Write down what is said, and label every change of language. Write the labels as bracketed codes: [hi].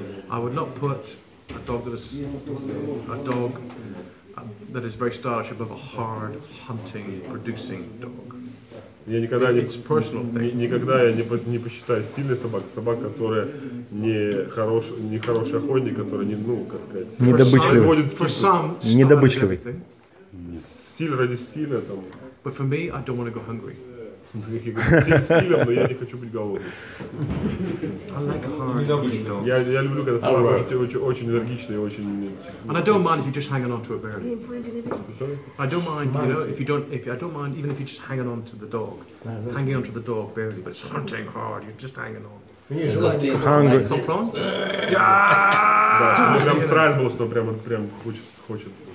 [en] I would not put a dog that is very stylish above a hard hunting producing dog. [ru] Никогда я не посчитаю стильной собакой, собака, которая не хороший охотник, которая не, ну, как сказать, недобычливый. Недобычливый. Стиль ради стиля там. [en] But for me, I don't want to go hungry. [ru] Я не хочу быть голодным. Я люблю, когда собака очень энергичная и очень. [en] And I don't mind if you're just hanging on to a bird. I don't mind, you know, I don't mind even if you're just hanging on to the dog. Hanging on to the dog barely, but it's hunting hard, you're just hanging on. Hungry. [ru] Да, прям страсть была, что прям хочет.